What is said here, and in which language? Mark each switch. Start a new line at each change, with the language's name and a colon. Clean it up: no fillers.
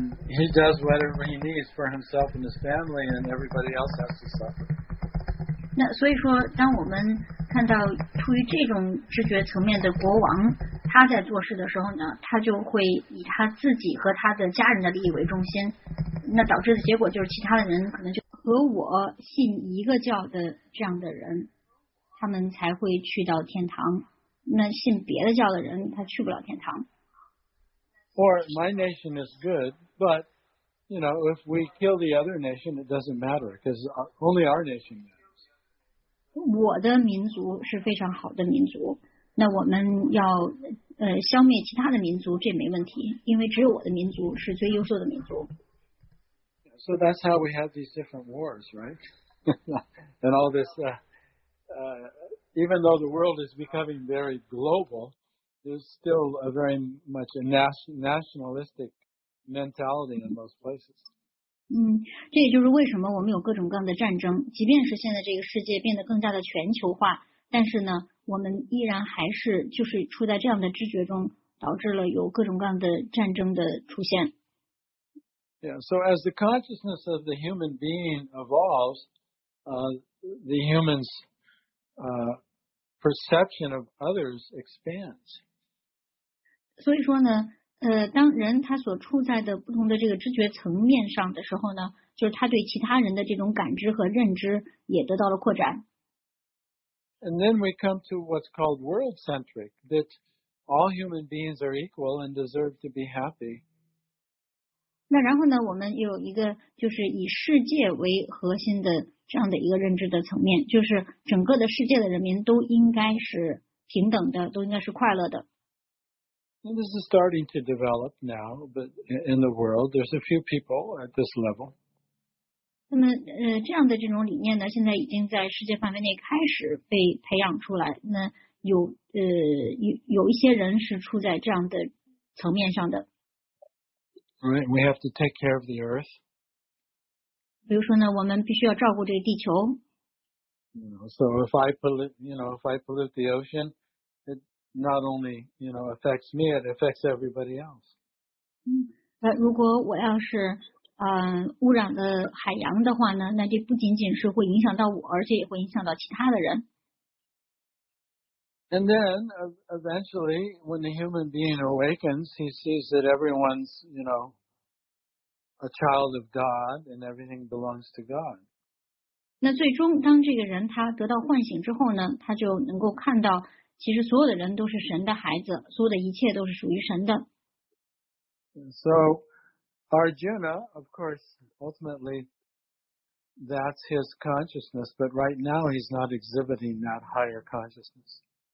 English: He does whatever he needs for himself and his family, and everybody else has to suffer.
Chinese: 那所以说，当我们看到出于这种知觉层面的国王，他在做事的时候呢，他就会以他自己和他的家人的利益为中心。那导致的结果就是，其他的人可能就和我信一个教的这样的人，他们才会去到天堂。那信别的教的人，他去不了天堂。
English: Or my nation is good, but you know, if we kill the other nation, it doesn't matter because only our nation matters.
Chinese: 我的民族是非常好的民族，那我们要消灭其他的民族，这没问题，因为只有我的民族是最优秀的民族。
English: So that's how we have these different wars, right? And all this, even though the world is becoming very global. There's still a very much a nationalistic mentality in most places.
Chinese: 这也就是为什么我们有各种各样的战争。即便是现在这个世界变得更加的全球化，但是呢，我们依然还是就是处在这样的知觉中，导致了有各种各样的战争的出现。
English: Yeah. So as the consciousness of the human being evolves, the humans. Perception of others expands.
Chinese: 所以说呢，当人他所处在的不同的这个知觉层面上的时候呢，就是他对其他人的这种感知和认知也得到了扩展。
English: And then we come to what's called world-centric, that all human beings are equal and deserve to be happy.
Chinese: 那然后呢，我们有一个就是以世界为核心的。这样的一个认知的层面，就是整个的世界的人民都应该是平等的，都应该是快乐的。
English: And this is starting to develop now, but in the world, there's a few people at this level.
Chinese: 那么，这样的这种理念呢，现在已经在世界范围内开始被培养出来。那有一些人是处在这样的层面上的。
English: Right, we have to take care of the earth.
Chinese: 比如说呢，我们必须要照顾这个地球。
English: You know, so if I pollute, you know, if I pollute the ocean, it not only, you know, affects me, it affects everybody else.
Chinese: 如果我要是污染了海洋的话呢，那这不仅仅是会影响到我，而且也会影响到其他的人。
English: And then eventually, when the human being awakens, he sees that everyone's, you know. A child of God, and everything belongs to God.
Chinese: 那最终，当这个人他得到唤醒之后呢，他就能够看到，其实所有的人都是神的孩子，所有的一切都是属于神的。
English: So, Arjuna, of course, ultimately, that's his consciousness. But right now, he's not exhibiting that higher consciousness.